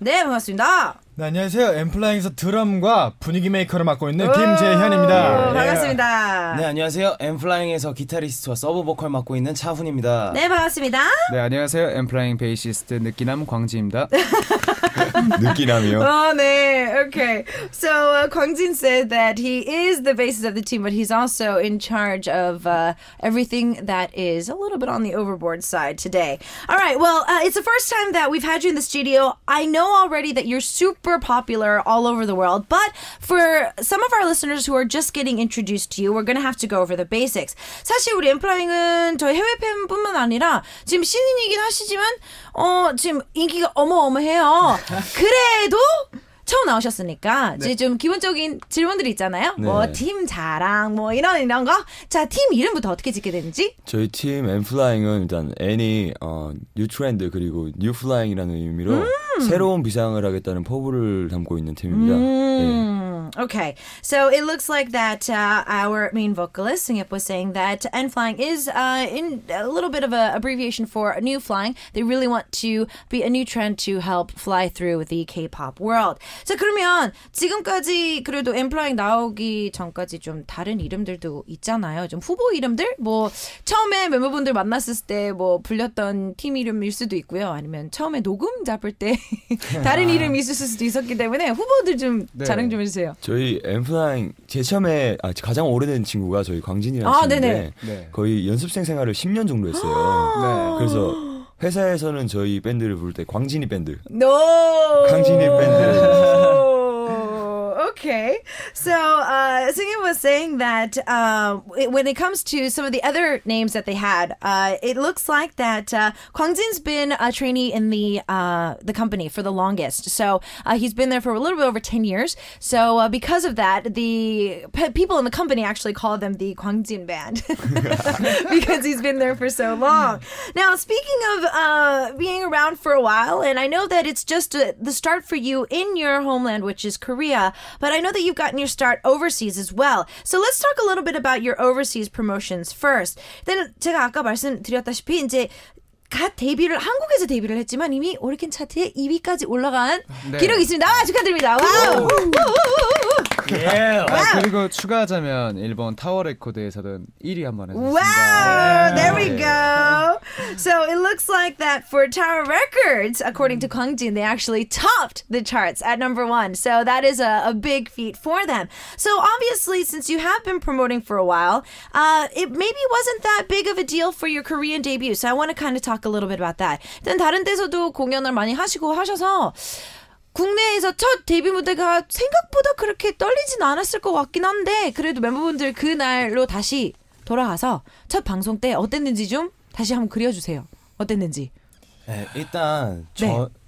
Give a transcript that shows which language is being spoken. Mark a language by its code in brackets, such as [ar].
[ko] 네, 반갑습니다. 네, 안녕하세요. 엔플라잉에서 드럼과 분위기 메이커를 맡고 있는 김재현입니다. 반갑습니다. 네, 안녕하세요. 엔플라잉에서 기타리스트와 서브 보컬 맡고 있는 차훈입니다. 네, 반갑습니다. 네, 안녕하세요. 엔플라잉 베이시스트 느끼남 광지입니다. 느끼남이요? 어, 네. Okay. [en] So, 광진 said that he is the bassist of the team, but he's also in charge of everything that is a little bit on the overboard side today. All right. Well, it's the first time that we've had you in the studio. I know already that you're super popular all over the world, but for some of our listeners who are just getting introduced to you, we're going to have to go over the basics. [ko] 사실 우리 엔플라잉은 저희 해외 팬뿐만 아니라 지금 신인이긴 하시지만 지금 인기가 어마어마해요. 그래도 처음 나오셨으니까 네. 이제 좀 기본적인 질문들이 있잖아요. 네. 뭐 팀 자랑 뭐 이런 거. 자, 팀 이름부터 어떻게 짓게 되는지? 저희 팀 N.Flying은 일단 N이 New Trend 그리고 New Flying이라는 의미로 새로운 비상을 하겠다는 포부를 담고 있는 팀입니다. [en] Okay, so it looks like that our main vocalist, Sungyeop, was saying that N.Flying is in a little bit of an abbreviation for New Flying. They really want to be a new trend to help fly through the K-pop world. [ko] 자, 그러면 지금까지 그래도 N.Flying 나오기 전까지 좀 다른 이름들도 있잖아요. 좀 후보 이름들? 뭐 처음에 멤버분들 만났을 때 뭐 불렸던 팀 이름일 수도 있고요. 아니면 처음에 녹음 잡을 때 다른 이름이 있었을 수도 있었기 때문에 후보들 좀 자랑 좀 해주세요. 저희 N.Flying 제 처음에 가장 오래된 친구가 저희 광진이라는 친구인데 네. 거의 연습생 생활을 10년 정도 했어요. 네. 그래서 회사에서는 저희 밴드를 부를 때 광진이 밴드. [en] No. [ko] 광진이 밴드. [en] Okay, so Sungyeop was saying that when it comes to some of the other names that they had, it looks like that Kwangjin's been a trainee in the company for the longest. So he's been there for a little bit over 10 years. So because of that, the people in the company actually call them the Kwangjin Band because he's been there for so long. Now, speaking of being around for a while, and I know that it's just the start for you in your homeland, which is Korea, but I know that you've gotten your start overseas as well. So let's talk a little bit about your overseas promotions first. [ko] Then 제가 아까 말씀드렸다시피 이제 갓 데뷔를 한국에서 데뷔를 했지만 이미 오리콘 차트에 2위까지 올라간 네. 기록이 있습니다. 와, 축하드립니다. 와. 예. 그리고 추가하자면 일본 타워 레코드에서는 1위 한번 했습니다. [en] Wow. Yeah. There we go. So it looks like that for Tower Records, according to Kwangjin, they actually topped the charts at number one. So that is a big feat for them. So obviously, since you have been promoting for a while, it maybe wasn't that big of a deal for your Korean debut. So I want to kind of talk a little bit about that. [ko] 일단 다른 데서도 공연을 많이 하시고 하셔서 국내에서 첫 데뷔 무대가 생각보다 그렇게 떨리진 않았을 것 같긴 한데 그래도 멤버분들 그날로 다시 돌아와서 첫 방송 때 어땠는지 좀 다시 한번 그려주세요. 어땠는지. 네, 일단 저 네.